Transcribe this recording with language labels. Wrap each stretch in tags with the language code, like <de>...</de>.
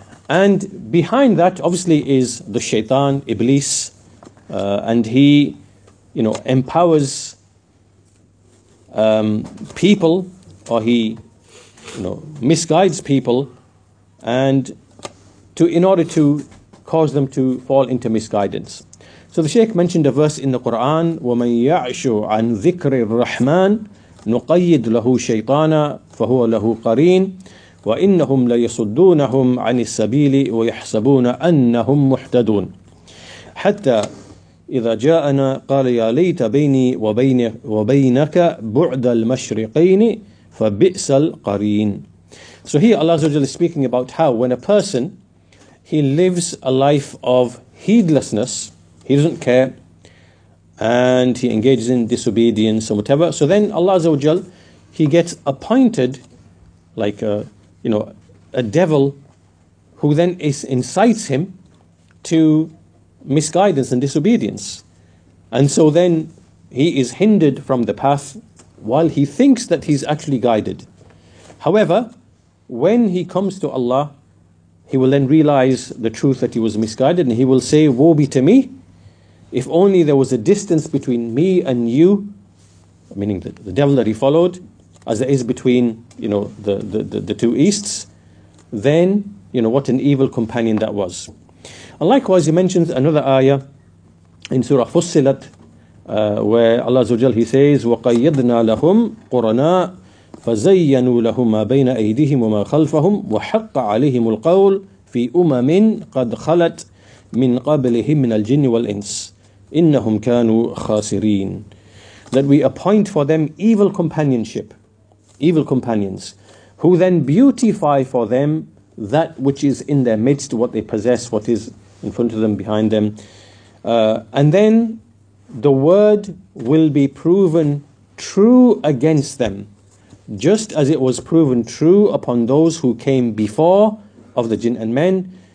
<en>And behind that, obviously, is the shaitan, Iblis, and he, you know, empowers people, or he, you know, misguides people, and in order to cause them to fall into misguidance. So the Shaykh mentioned a verse in the Quran,</en> <ar>وَمَن يَعْشُ عَن ذِكْرِ الرَّحْمَنِ نُقَيِّدْ لَهُ شَيْطَانًا فَهُوَ لَهُ قَرِينٌ وَإِنَّهُمْ لَيَصُدُّونَهُمْ عَنِ السَّبِيلِ وَيَحْسَبُونَ أَنَّهُمْ مُحْتَدُونَ حَتَّى إِذَا جَاءَنَا قَالَ يَا لَيْتَ بَيْنِي وَبَيْنَكَ بُعْدَ الْمَشْرِقَيْنِ فَبِئْسَ الْقَرِينَ.</ar> <en>So here Allah is speaking about how when a person, he lives a life of heedlessness, he doesn't care, and he engages in disobedience or whatever, so then Allah, he gets appointed like a devil who then incites him to misguidance and disobedience. And so then he is hindered from the path while he thinks that he's actually guided. However, when he comes to Allah, he will then realize the truth that he was misguided, and he will say, woe be to me, if only there was a distance between me and you, meaning the devil that he followed, as there is between, you know, the two Easts, then, you know, what an evil companion that was. And likewise, he mentions another ayah in Surah Fussilat, where Allah Azza wa Jalla, he says,</en> <ar>وَقَيَّدْنَا لَهُمْ قُرَنَاءَ فَزَيَّنُوا لَهُمْ مَا بَيْنَ أَيْدِهِمْ وَمَا خَلْفَهُمْ وَحَقَّ عَلَيْهِمُ الْقَوْلُ فِي أُمَمٍ قَدْ خَلَتْ مِنْ قَبْلِهِمْ مِنَ الْجِنِّ وَالْإِنسِ إِنَّهُمْ كَانُوا خَاسِرِينَ.</ar> <en>That we appoint for them evil companionship, evil companions, who then beautify for them that which is in their midst, what they possess, what is in front of them, behind them. And then the word will be proven true against them, just as it was proven true upon those who came before of the jinn and men.</en>